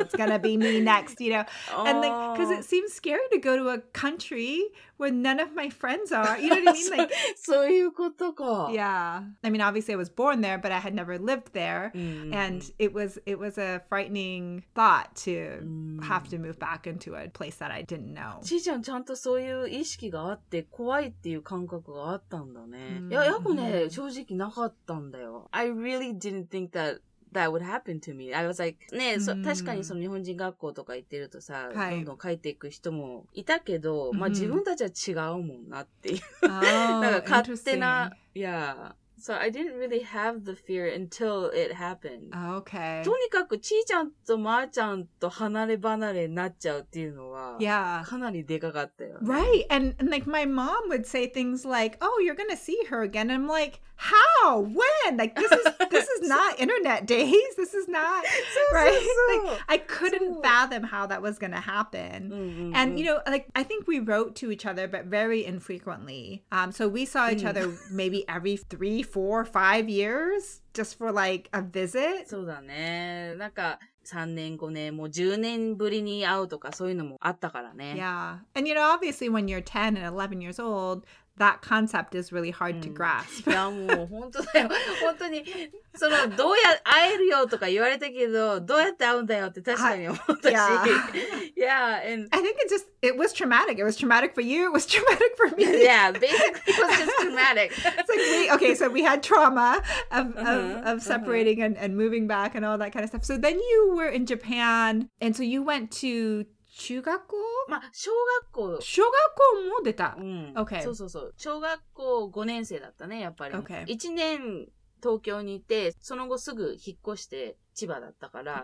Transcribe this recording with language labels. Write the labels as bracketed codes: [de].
[en] It's gonna be me next, you know? And like, because it seems scary to go to a country where none of my friends are. You know what I mean? Like, [ja] そういうことか。 [en] Yeah. I mean, obviously I was born there, but I had never lived there. And it was a frightening thought to have to move back into a place that I didn't know. [ja] ちーちゃん、ちゃんとそういう意識があって怖いっていう感覚があったんだね。いや、やこね、正直なかったんだよ。 [en] I really didn't think that. That would happen to me. I was like, ね、mm-hmm. [ja] 確かにその日本人学校とか行ってるとさ、はい、どんどん帰っていく人もいたけど、mm-hmm. まあ自分たちは違うもんなっていう。 [en] Oh, [ja] なんか勝手な、yeah. [en] So I didn't really have the fear until it happened. Okay. [ja] とにかくちーちゃんとまーちゃんと離れ離れになっちゃうっていうのは、 [en] yeah. [ja] かなりでかかったよ、ね。 [en] Right. And like my mom would say things like, oh, you're gonna see her again. And I'm like,How? When? Like, this is not internet days. This is not, right? Like, I couldn't fathom how that was going to happen. Mm-hmm. And, you know, like, I think we wrote to each other, but very infrequently. So we saw each other maybe every 3, 4, 5 years just for like a visit. [ja] そうだね。なんか、3年5年もう10年ぶりに会うとかそういうのもあったからね。 [en] Yeah. And, you know, obviously when you're 10 and 11 years old,That concept is really hard to grasp. [ja] いやもう本当だよ。本当に、そのどうや会えるよとか言われたけど、どうやって会うんだよって確かに思ったし。 [en] Yeah, and I think it was traumatic. It was traumatic for you. It was traumatic for me. Yeah, basically it was just traumatic. It's like we had trauma of separating and moving back and all that kind of stuff. So then you were in Japan, and so you went to. [ja] 中学校? まあ、小学校。小学校も出た。うん。 [en] Okay. [ja] そうそうそう。小学校5年生だったね、やっぱり。 [en] Okay. [ja] 1年東京にいて、その後すぐ引っ越して千葉だったから。